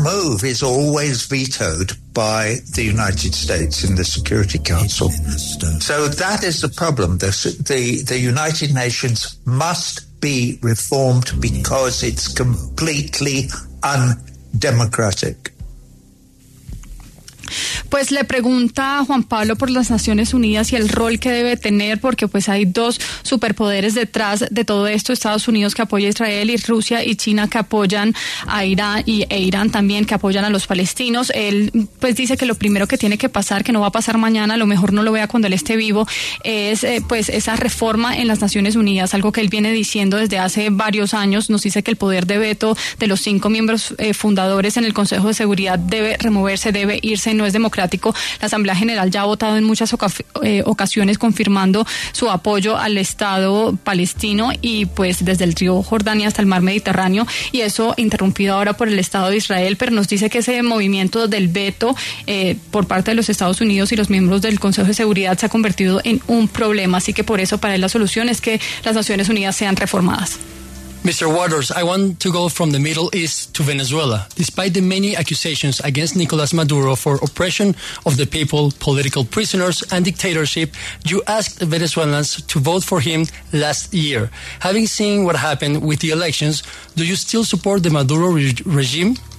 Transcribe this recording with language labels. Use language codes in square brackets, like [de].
[en] move is always vetoed by the United States in the Security Council. So that is the problem. The United Nations must be reformed because it's completely undemocratic. [es] Pues le pregunta a Juan Pablo por las Naciones Unidas y el rol que debe tener, porque pues hay dos superpoderes detrás de todo esto, Estados Unidos que apoya a Israel y Rusia y China que apoyan a Irán e Irán también que apoyan a los palestinos. Él pues dice que lo primero que tiene que pasar, que no va a pasar mañana, a lo mejor no lo vea cuando él esté vivo, es pues esa reforma en las Naciones Unidas, algo que él viene diciendo desde hace varios años. Nos dice que el poder de veto de los 5 miembros fundadores en el Consejo de Seguridad debe removerse, debe irse, no es democrático. La Asamblea General ya ha votado en muchas ocasiones confirmando su apoyo al Estado palestino y pues desde el río Jordania hasta el mar Mediterráneo, y eso interrumpido ahora por el Estado de Israel. Pero nos dice que ese movimiento del veto por parte de los Estados Unidos y los miembros del Consejo de Seguridad se ha convertido en un problema, así que por eso para él la solución es que las Naciones Unidas sean reformadas. [en] Mr. Waters, I want to go from the Middle East to Venezuela. Despite the many accusations against Nicolas Maduro for oppression of the people, political prisoners, and dictatorship, you asked Venezuelans to vote for him last year. Having seen what happened with the elections, do you still support the Maduro regime?